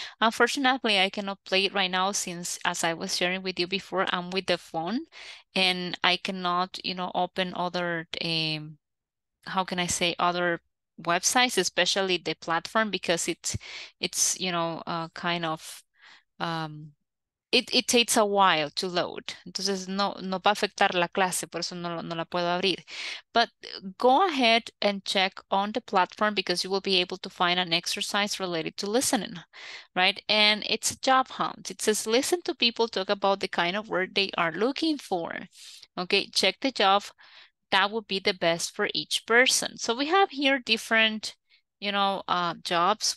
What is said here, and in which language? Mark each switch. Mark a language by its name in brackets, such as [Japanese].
[English] Unfortunately, I cannot play it right now since, as I was sharing with you before, I'm with the phone and I cannot, you know, open other, other websites, especially the platform, because it's, you know, kind of, it takes a while to load. [Spanish] Entonces no va a afectar la clase, por eso no la puedo abrir. [English] But go ahead and check on the platform because you will be able to find an exercise related to listening, right? And it's a job hunt. It says listen to people talk about the kind of word they are looking for. Okay, check the job that would be the best for each person. So we have here different, you know, jobs.